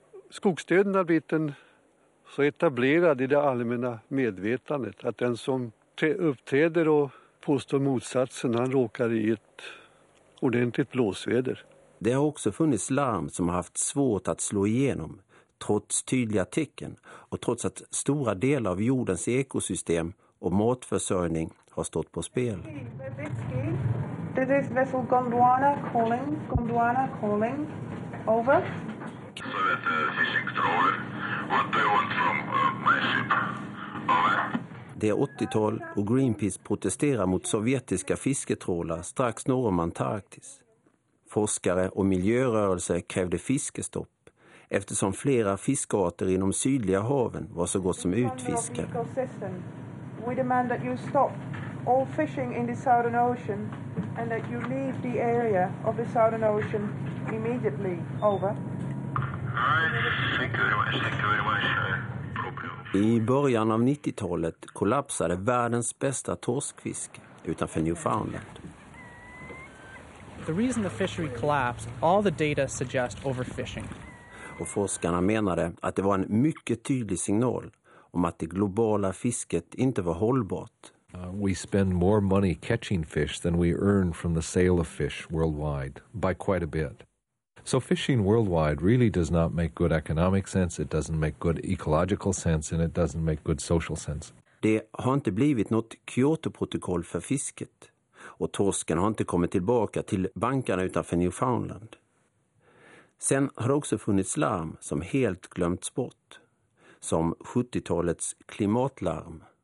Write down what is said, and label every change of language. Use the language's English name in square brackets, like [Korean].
[Swedish] Skogsdöden har blivit en så etablerad i det allmänna medvetandet att den som uppträder och påstår motsatsen, han råkar i ett ordentligt blåsväder. Det har också funnits larm som har haft svårt att slå igenom trots tydliga tecken och trots att stora delar av jordens ekosystem och matförsörjning har stått på spel. [English] This is vessel Gondwana calling. Gondwana calling. Over. [Swedish] Det är 80-tal och Greenpeace protesterar mot sovjetiska fisketrålar strax norr om Antarktis. Forskare och miljörörelser krävde fiskestopp eftersom flera fiskarter inom sydliga haven var så gott som utfiskade. [English] We demand that you stop all fishing in the Southern Ocean and that you leave the area of the Southern Ocean immediately. Over. [Swedish] I början av 90-talet kollapsade världens bästa torskfisk utanför Newfoundland. [English] The reason the fishery collapsed, all the data suggest overfishing. [Swedish] Och forskarna menade att det var en mycket tydlig signal om att det globala fisket inte var hållbart. [English] We spend more money catching fish than we earn from the sale of fish worldwide by quite a bit. So fishing worldwide really does not make good economic sense, it doesn't make good ecological sense and it doesn't make good social sense. [Swedish] Det har inte blivit något Kyoto-protokoll för fisket och torsken har inte kommit tillbaka till bankarna utanför Newfoundland. Sen har det också funnits larm som helt glömts bort, som 70-talets klimatlarm.